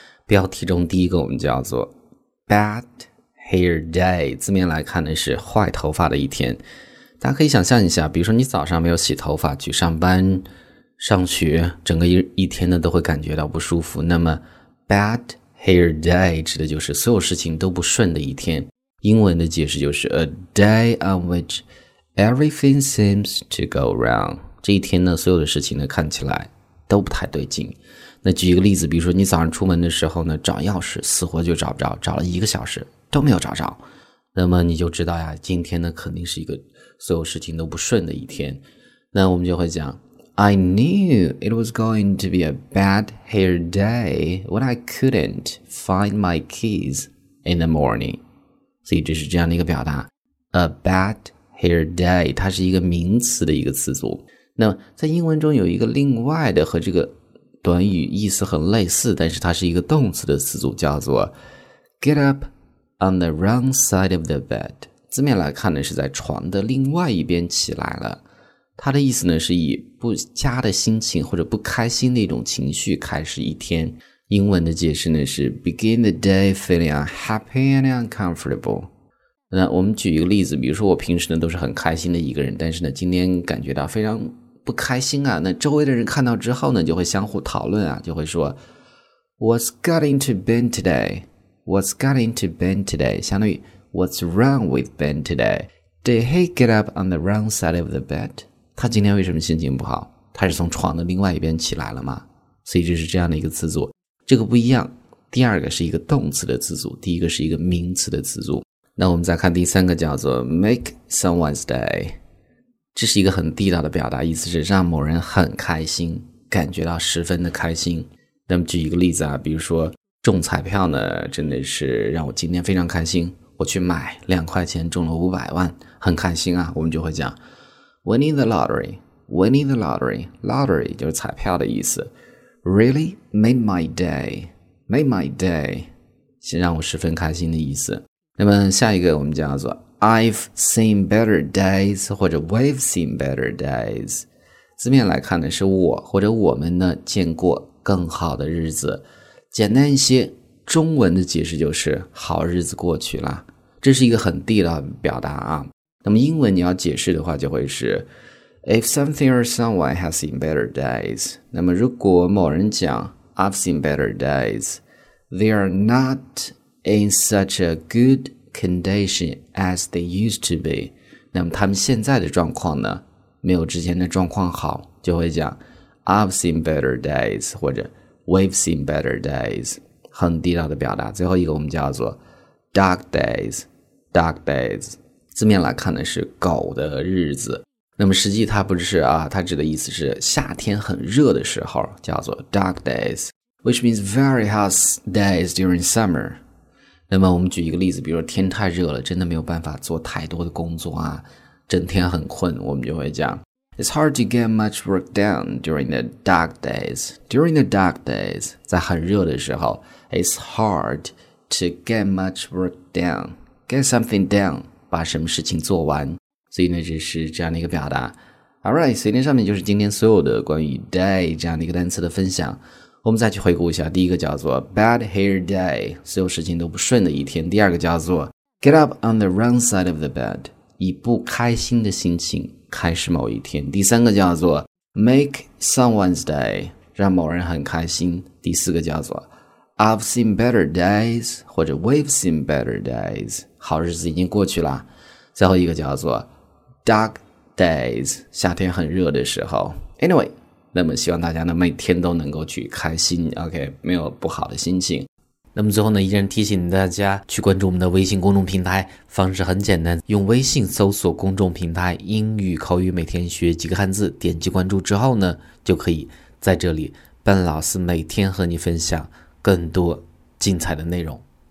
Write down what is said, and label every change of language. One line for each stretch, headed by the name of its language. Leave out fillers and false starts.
Chinese: 标题中第一个我们叫做 bad hair day， 字面来看呢是坏头发的一天。大家可以想象一下，比如说你早上没有洗头发去上班、上学，整个一天呢都会感觉到不舒服。那么 bad hair day 指的就是所有事情都不顺的一天。英文的解释就是
English: a day on which Everything seems to go wrong。
Chinese: 这一天呢，所有的事情呢看起来都不太对劲。那举一个例子，比如说你早上出门的时候呢，找钥匙死活就找不着，找了一个小时都没有找着，那么你就知道呀，今天呢肯定是一个所有事情都不顺的一天。那我们就会讲
English: I knew it was going to be a bad hair day when I couldn't find my keys in the morning。
Chinese: 所以这是这样的一个表达 A badHair day， 它是一个名词的一个词组。那在英文中有一个另外的和这个短语意思很类似，但是它是一个动词的词组，叫做
English: get up on the wrong side of the bed。
Chinese: 字面来看呢，是在床的另外一边起来了。它的意思呢，是以不佳的心情或者不开心的一种情绪开始一天。英文的解释呢，是
English: begin the day feeling unhappy and uncomfortable。
Chinese: 那我们举一个例子，比如说我平时呢都是很开心的一个人，但是呢今天感觉到非常不开心啊。那周围的人看到之后呢，就会相互讨论啊，就会说
English: What's got into Ben today? What's got into Ben today?
Chinese: 相当于
English: What's wrong with Ben today? Did he get up on the wrong side of the bed?
Chinese: 他今天为什么心情不好？他是从床的另外一边起来了吗？所以这是这样的一个词组，这个不一样。第二个是一个动词的词组，第一个是一个名词的词组。那我们再看第三个，叫做
English: make someone's day，
Chinese: 这是一个很地道的表达，意思是让某人很开心，感觉到十分的开心。那么举一个例子啊，比如说中彩票呢，真的是让我今天非常开心，我去买2块钱中了500万，很开心啊。我们就会讲
English: winning the lottery， winning the lottery，
Chinese: lottery 就是彩票的意思。
English: really made my day， made my day
Chinese: 是让我十分开心的意思。那么下一个我们叫做
English: I've seen better days
Chinese: 或者
English: we've seen better days，
Chinese: 字面来看呢，是我或者我们呢见过更好的日子。简单一些，中文的解释就是好日子过去了，这是一个很地道的表达啊。那么英文你要解释的话，就会是
English: If something or someone has seen better days，
Chinese: 那么如果某人讲
English: I've seen better days， They are notin such a good condition as they used to be，
Chinese: 那么他们现在的状况呢没有之前的状况好，就会讲
English: I've seen better days
Chinese: 或者
English: we've seen better days，
Chinese: 很地道的表达。最后一个我们叫做 dog days， dog days 字面来看呢是狗的日子，那么实际它不是啊，它指的意思是夏天很热的时候叫做 dog days，
English: which means very hot days during summer。
Chinese: 那么我们举一个例子，比如说天太热了，真的没有办法做太多的工作啊，整天很困，我们就会讲
English: It's hard to get much work done during the dark days. During the dark days，
Chinese: 在很热的时候
English: It's hard to get much work done.
Chinese: Get something done， 把什么事情做完。所以呢，这是这样的一个表达。 Alright， 所以上面就是今天所有的关于 day 这样的一个单词的分享。我们再去回顾一下，第一个叫做 bad hair day， 所有事情都不顺的一天。第二个叫做
English: get up on the wrong side of the bed，
Chinese: 以不开心的心情开始某一天。第三个叫做 make someone's day， 让某人很开心。第四个叫做
English: I've seen better days
Chinese: 或者
English: we've seen better days，
Chinese: 好日子已经过去了。最后一个叫做 dark days， 夏天很热的时候。 Anyway，那么希望大家呢每天都能够去开心 ，OK， 没有不好的心情。那么最后呢，依然提醒大家去关注我们的微信公众平台，方式很简单，用微信搜索公众平台“英语口语每天学几个汉字”，点击关注之后呢，就可以在这里，笨老师每天和你分享更多精彩的内容。